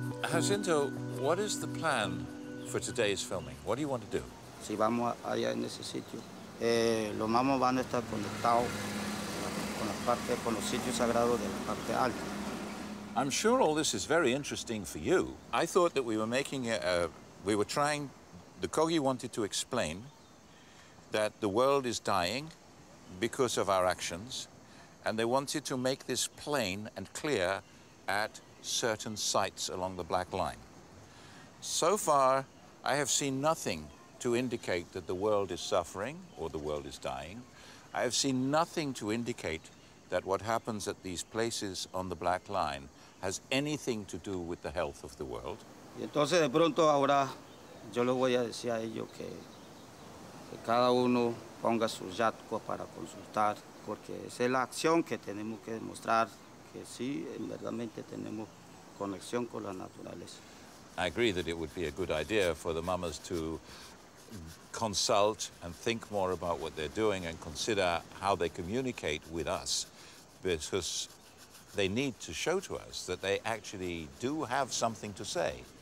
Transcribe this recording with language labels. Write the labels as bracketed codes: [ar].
[en] Jacinto, what is the plan for today's filming? What do you want to do? [es] Si vamos allá en ese sitio, los mamos van a estar conectados con la parte, con los sitios sagrados de la parte alta. [en] I'm sure all this is very interesting for you. I thought that we were making the Kogi wanted to explain that the world is dying because of our actions, and they wanted to make this plain and clear at certain sites along the black line. So far, I have seen nothing to indicate that the world is suffering or the world is dying. I have seen nothing to indicate that what happens at these places on the black line has anything to do with the health of the world. [es] Y entonces de pronto ahora yo les voy a decir a ellos que cada uno ponga sus yatcos para consultar, porque esa es la acción que tenemos que demostrar que sí, verdaderamente tenemos conexión con la naturaleza. [en] I agree that it would be a good idea for the mamas to consult and think more about what they're doing and consider how they communicate with us, because they need to show to us that they actually do have something to say.